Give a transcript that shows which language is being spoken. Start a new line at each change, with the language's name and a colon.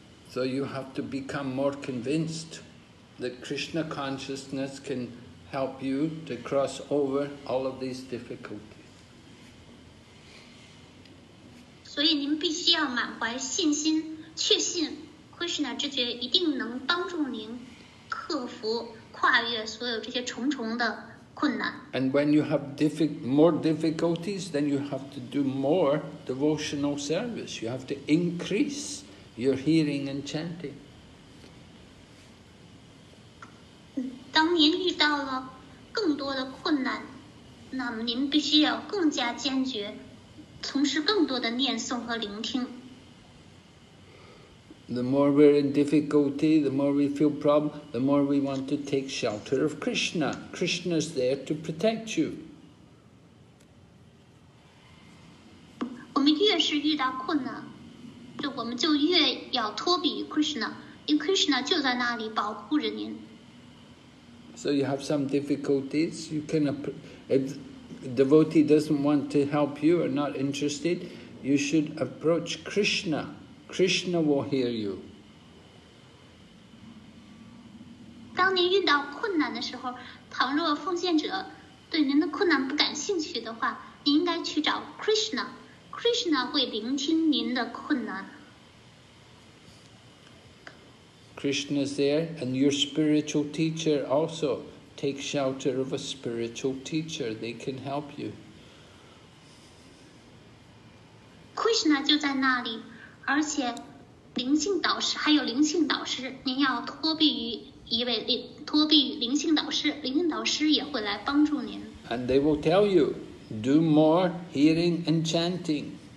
English: So you have to become more convinced that Krishna consciousness can help you to cross over all of these difficulties.
Chinese: 所以您必须要满怀信心，确信 Krishna 知觉一定能帮助您克服、跨越所有这些重重的困难。
English: And when you have more difficulties, then you have to do more devotional service. You have to increase your hearing and chanting.
Chinese: 当您遇到了更多的困难，那么您必须要更加坚决。从事更多的念诵和聆听。
English: The more we're in difficulty, the more we feel problem, the more we want to take shelter of Krishna. Krishna's there to protect you.
Chinese: 我们越是遇到困难，就我们就越要托庇 Krishna, 因为 Krishna 就在那里保护着您。
English: So you have some difficulties, you can Devotee doesn't want to help you or not interested, you should approach Krishna. Krishna will hear you.
Chinese: 当您遇到困难的时候，倘若奉献者对您的困难不感兴趣的话，您应该去找 Krishna. Krishna 会聆听您的困难。
English: Krishna is there, and your spiritual teacher also. Take shelter of a spiritual teacher, they can help you.
Chinese: Krishna 就在那里，而且灵性导师还有灵性导师，您要托庇于一位灵性导师，灵性导师也会来帮助您。
English: And they will tell you, do more hearing and chanting.